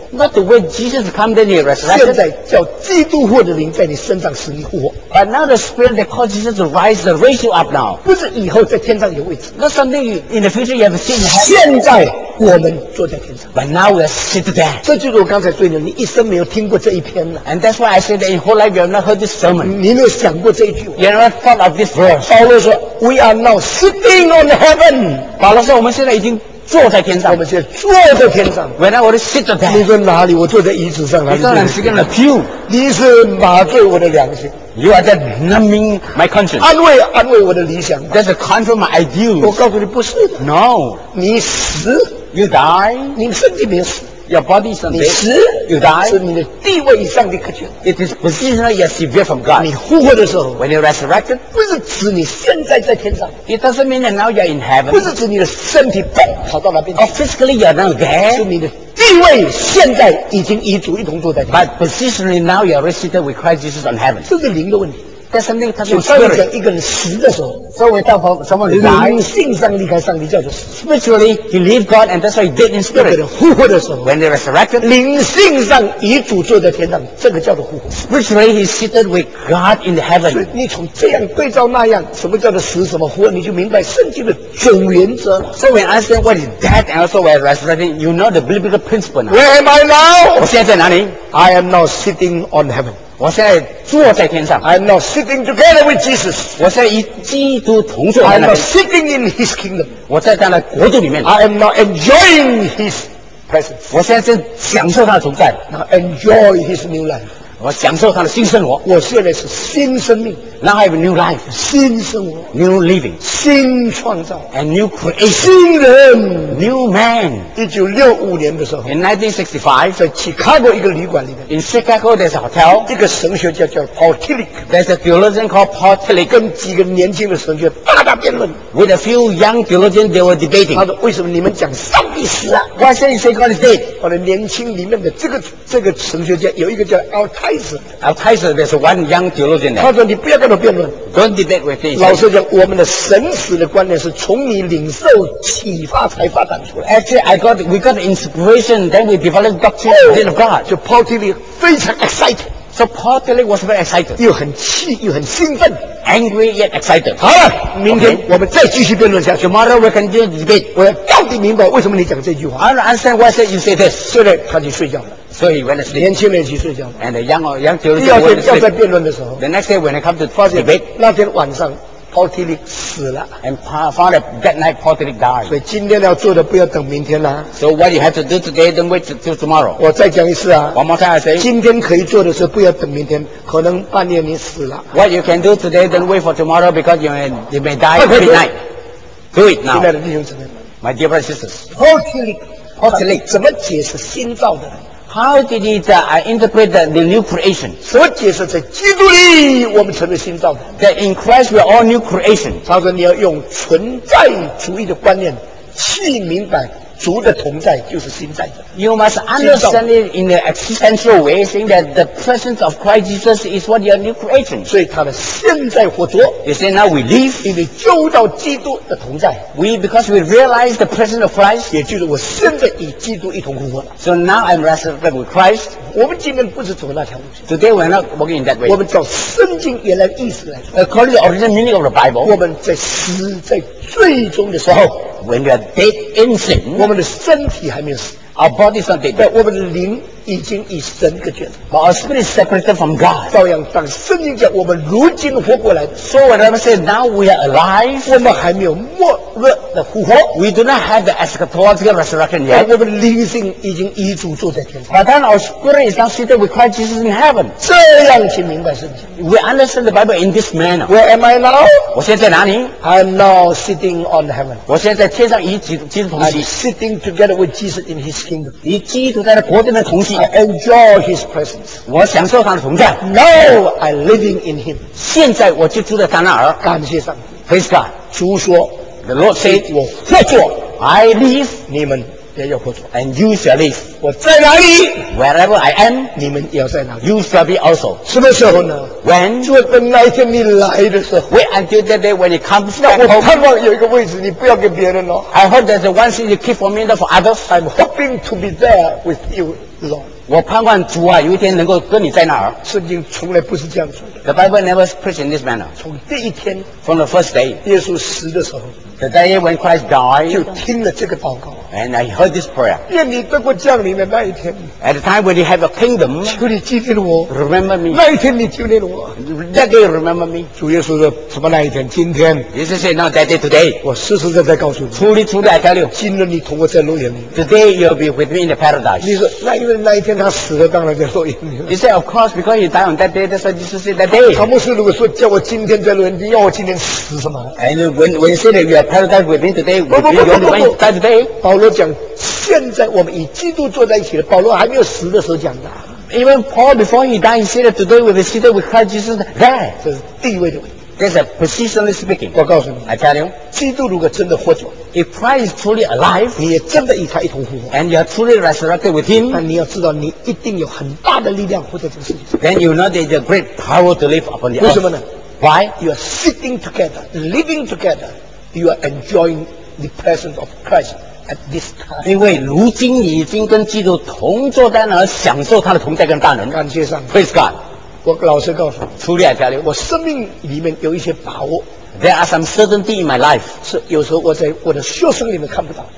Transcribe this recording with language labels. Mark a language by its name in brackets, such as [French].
[English] Not to wait Jesus to come then he resurrected. [Chinese] 现在叫基督或者灵在你身上使你复活。 [English] But now the spirit that called Jesus to rise to raise you up now. [Chinese] 不是以后在天上有位置。 [English] Not something in the future you have seen. [Chinese] 现在我们坐在天上。 [English] But now we are sitting there. [Chinese] 这就是我刚才说的，你一生没有听过这一篇了。 [English] And that's why I say that in whole life you have not heard this sermon. [Chinese] 你没有想过这一句。 [English] You have not thought of this verse. [Chinese] 保罗说 [English] ，We are now sitting on heaven. [Chinese] 保罗说，我们现在已经。坐在天上，我们现在坐在天上。 [English] When I was sitting there， [Chinese] 你说哪里？我坐在椅子上，哪里？你说两个人的 pew，你是麻醉我的良心。 [English] You are that numbing my conscience， [Chinese] 安慰我的理想。 [English] That's a control my ideals。 [Chinese] 我告诉你，不是的。 [English] No， [Chinese] 你死 [English] ，you die， [Chinese] 你身体没有死 [English] ，your body is dead。 [Chinese] 你死 [English] ，you die， [Chinese] 是你的地位与上帝隔绝。 [English] It is positional yet severe from God。 [Chinese] 你复活的时候 [English] ，when you resurrected， [Chinese] 不是指你现在在天上。 [English] It doesn't mean that now you are in heaven。 [Chinese] 不是指你的身体被。跑到那边 [English] Oh, physically you're not there. [Chinese] 说明你的地位现在已经与主一同坐在 [English] But positionally now you're seated with Christ Jesus on heaven. [Chinese] 这是灵的问题 [English] That's something that's not spirit. [Chinese] 有上一个人死的时候作为道方什么人灵性上离开上帝叫做 [English] Spiritually he leave God and that's why he dead in spirit. [Chinese] 那个人复活的时候 [English] When they resurrected [Chinese] 灵性上与主坐在天上这个叫做复活 [English] Spiritually he seated with God in heaven. [Chinese] 所以你从这样对照那样什么叫做死什么活你就明白圣经的总原则 [English] So when I understand what is dead and also what is resurrected you know the biblical principle now. Where am I now? [Chinese] 我现在在哪里 [English] I am now sitting on heaven. [Chinese] 我现在坐在天上 [English] I am now sitting together with Jesus. [Chinese] 我现在与基督同坐在那里 [English] I am now sitting in his kingdom. [Chinese] 我在他的国度里面 [English] I am now enjoying his presence. [Chinese] 我现在正享受他的存在 [English] Now enjoy his new life. [Chinese] 我享受他的新生活我现在是新生命 [English] Now I have a new life [Chinese] 新生活 [English] New living [Chinese] 新创造 [English] And new creation [Chinese] 新人 [English] New man [Chinese] 1965年的时候 [English] In 1965 [Chinese] 在 Chicago 一个旅馆里面 [English] In Chicago there's a hotel [Chinese] 一个神学家叫 Paul Tillich [English] There's a theologian called Paul Tillich [Chinese] 跟几个年轻的神学大大辩论 [English] With a few young theologians they were debating [Chinese] 他说为什么你们讲上帝死啊 [English] Why say you say God is dead [Chinese] 我的年轻里面的这个神学家有一个叫 Al Tyson, [English] there's one young theologian there. [Chinese] 他说：“你不要跟他辩论。” [English] Don't debate with him. [Chinese] 老师讲：“我们的神死的观念是从你领受启发才发展出来。” [English] Actually, we got the inspiration, then we developed doctrine of God. [Chinese] 就 Paul Tilly 非常 excited. [English] So Paul Tilly was very excited. [Chinese] 又很气，又很兴奋。 [English] Angry yet excited. [Chinese] 好了，明天我们再继续辩论下去。 [English] Tomorrow we continue the debate. [Chinese] 我要到底明白为什么你讲这句话。 [English] I don't understand why you say this. [Chinese] 现在他就睡觉了。 [English] So he went to sleep. [Chinese] 年轻人去睡觉。 [English] And the young children went to sleep. [Chinese] 第二天要在辩论的时候。 [English] The next day when they come to debate. [Chinese] 那天晚上 Paul Tillich 死了。 [English] And found out that night Paul Tillich died. [Chinese] 所以今天要做的不要等明天啦。 [English] So what you have to do today, don't wait till tomorrow. [Chinese] 我再讲一次啊。 [English] One more time I say. [Chinese] 今天可以做的事不要等明天，可能半夜你死了。 [English] What you can do today, don't wait for tomorrow because you may die tonight. Do it now. [Chinese] 亲爱的弟兄姊妹 [English] 们。My dear brothers and sisters. [Chinese] Paul Tillich 怎么解释新造的人？ [English] How did he interpret the new creation? [Chinese] 什么解释在基督里我们成为新造的 [English] That in Christ we are all new creation. [Chinese] 他说你要用存在主义的观念去明白主的同在就是新造的。 [English] You must understand it in the existential way, saying that the presence of Christ Jesus is what your new creation. [Chinese] 所以他的现在活着。 [English] You say now we live, [Chinese] 因为就到基督的同在。 [English] We because we realize the presence of Christ, [Chinese] 也就是我现在与基督一同复活。 [English] So now I'm resurrected with Christ. [Chinese] 我们今天不是走那条路。 [English] Today we're not walking in that way. [Chinese] 我们照圣经原来意思来说。 [English] According to the original meaning of the Bible, [Chinese] 我们在死在最终的时候。 [English] When we are dead in sin, [Chinese] 我们的身体还没有死。 [English] Our body is not dead. [Chinese] 但我们的灵已经与神隔绝了。 [English] But our spirit is separated from God. [Chinese] 照样，当圣经讲我们如今活过来。 [English] So when I say now we are alive, [Chinese] 我们还没有末日的复活。 [English] We do not have the eschatological resurrection yet. [Chinese] 我们的灵性已经与主坐在天上。 [English] But then our spirit is now seated with Christ Jesus in heaven. [Chinese] 这样去明白圣经。 [English] We understand the Bible in this manner. Where am I now? [Chinese] 我现在哪里？ [English] I am now sitting on heaven. [Chinese] 我现在天上与基督同席。 [English] I'm sitting together with Jesus in His kingdom. [Chinese] 与基督在他国度的同席。 [English] I enjoy His presence. [Chinese] 我享受他的同在。 [English] Now I'm living in Him. [Chinese] 现在我就住在他那儿。感谢上帝。 [English] Praise God. [Chinese] 主说。 [English] The Lord said, [Chinese] 我活着。 [English] I live. [Chinese] 你们也要活着。 [English] And you shall live. [Chinese] 我在哪里？ [English] Wherever I am. [Chinese] 你们也要在哪里？ [English] You shall be also. [Chinese] 什么时候呢？ [English] When? [Chinese] 就等那一天你来的时候。 [English] Wait until that day when it comes. [Chinese] 那我盼望有一个位置，你不要给别人哦。 [English] I hope there's one thing you keep for me, not for others. I'm hoping to be there with you, Lord. [Chinese] 我盼望主啊，有一天能够跟你在那儿。圣经从来不是这样说的。 [English] The Bible never preached in this manner. [Chinese] 从第一天。 [English] From the first day. [Chinese] 耶稣死的时候。 [English] The day when Christ died. [Chinese] 就听了这个祷告。 [English] And I heard this prayer. [Chinese] 愿你得过降临的那一天。 [English] At the time when you have a kingdom. [Chinese] 求你纪念我。 [English] Remember me. [Chinese] 那一天你纪念我。 [English] That day remember me. [Chinese] 主耶稣说什么那一天？今天。 [English] Jesus said, not that day, today. [Chinese] 我实实在在告诉你。 [English] Truly, truly, I tell you. [Chinese] 今日你同我在乐园里。 [English] Today you'll be with me in the paradise. [Chinese] 你说那因为那一天他死了，当然在乐园里。 [English] He said, of course, because he died on that day. That's why Jesus said that day. [Chinese] 他不是如果说叫我今天在乐园，你要我今天死什么 [English] ？And when you say that you are paradise with me today, will you be with me today? [Chinese] 保罗讲，现在我们与基督坐在一起了。保罗还没有死的时候讲的。 [English] Even Paul before he died, he said that today we will sit with Christ Jesus there. [Chinese] 这是地位的问题。 [English] That's a positionally speaking. [Chinese] 我告诉你 [English] ，I tell you， [Chinese] 基督如果真的活着 [English] ，If Christ is truly alive， [Chinese] 你也真的与他一同复活 [English] ，and you are truly resurrected with him， [Chinese] 那你要知道，你一定有很大的力量活在这个世界上。 [English] Then you know there is a great power to live upon the earth. [Chinese] 为什么呢 [English] ？Why you are sitting together, living together, you are enjoying the presence of Christ。 At this time, [Chinese] 因为如今已经跟基督同坐在那儿，享受他的同在跟大能。感谢上帝。 [English] Praise God。 [Chinese] 我老实告诉你，初恋家里，我生命里面有一些把握。 [English] There are some certainty in my life. [Chinese] 是有时候我在我的学生里面看不到。